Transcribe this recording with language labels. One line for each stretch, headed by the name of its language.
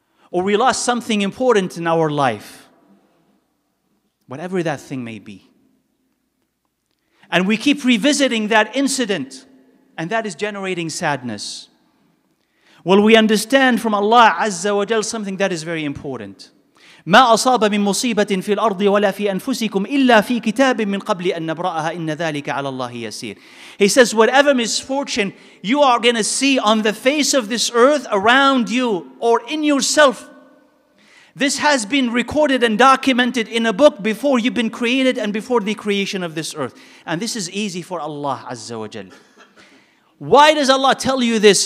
English: Or we lost something important in our life, whatever that thing may be. And we keep revisiting that incident, and that is generating sadness. Well, we understand from Allah Azza wa Jal something that is very important.
Arabic: ما أصاب من مصيبة في الأرض ولا في أنفسكم إلا في كتاب من قبل أن نبرأها إن ذلك على الله يسير.
English: He says, whatever misfortune you are going to see on the face of this earth around you or in yourself, this has been recorded and documented in a book before you've been created and before the creation of this earth. And this is easy for Allah Azza wa Jal. Why does Allah tell you this?